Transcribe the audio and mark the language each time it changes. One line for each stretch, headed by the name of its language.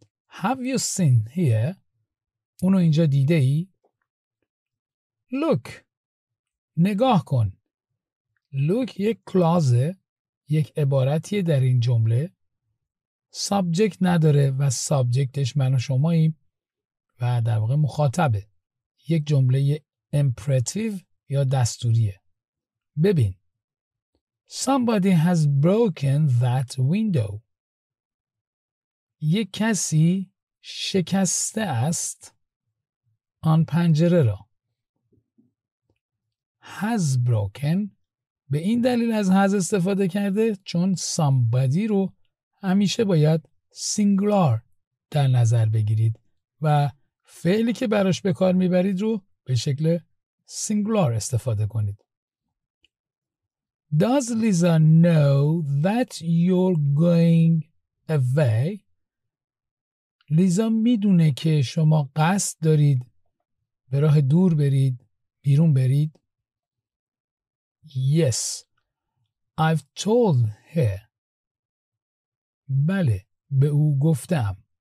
English: Have you seen here؟
Persian: اونو اینجا دیده ای؟ Look، نگاه کن. Look یک clause، یک عبارتیه در این جمله. Subject نداره و subjectش من و شماییم و در واقع مخاطبه. یک جمله امپراتیو یا دستوریه. ببین.
English: Somebody has broken that window.
Persian: یک کسی شکسته است آن پنجره را. Has broken به این دلیل از has استفاده کرده چون somebody رو همیشه باید singular در نظر بگیرید و فعلی که براش به کار میبرید رو به شکل singular استفاده کنید.
English: Does Lisa know that you're going away?
Persian: لیزا میدونه که شما قصد دارید به راه دور برید، بیرون برید؟
English: Yes, I've told her.
Persian: بله، به او گفتم.